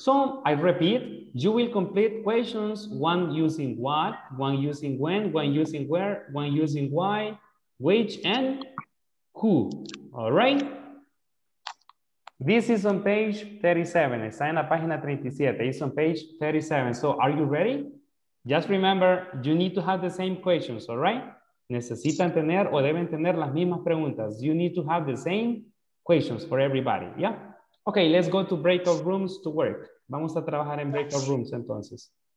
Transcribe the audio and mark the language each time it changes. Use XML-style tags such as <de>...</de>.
<en>So I repeat, you will complete questions, one using what, one using when, one using where, one using why, which, and who. All right. This is on page 37.</en> <es>Está en la página 37.</es> <en>It's on page 37. So are you ready? Just remember, you need to have the same questions, all right?</en> <es>Necesitan tener o deben tener las mismas preguntas.</es> <en>You need to have the same questions for everybody, yeah? Okay, let's go to breakout rooms to work.</en> <es>Vamos a trabajar en breakout rooms, entonces.</es>